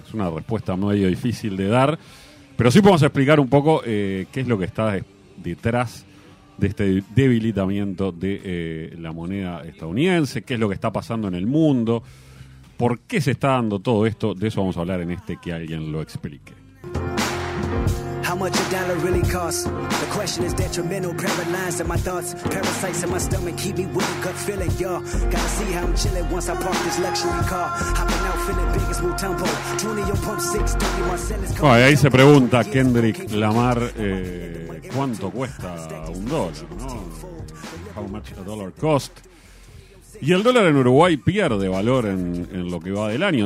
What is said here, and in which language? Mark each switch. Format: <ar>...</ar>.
<es>Es una respuesta medio difícil de dar. Pero sí podemos explicar un poco qué es lo que está detrás de este debilitamiento de la moneda estadounidense, qué es lo que está pasando en el mundo, por qué se está dando todo esto. De eso vamos a hablar en este Que Alguien Lo Explique.</es> <en>How much a dollar really costs? The question is detrimental, paralyzing my thoughts. Parasites in my stomach keep me with a gut feeling, y'all. Gotta see how I'm chilling once I park this luxury car. Hopping out, feeling big as Mutombo. 20 on pump 6, 30 Marcellus.</en> <es>Bueno, ahí se pregunta Kendrick Lamar cuánto cuesta un dólar, ¿no?</es> <en>How much a dollar cost?</en> <es>Y el dólar en Uruguay pierde valor en lo que va del año.</es>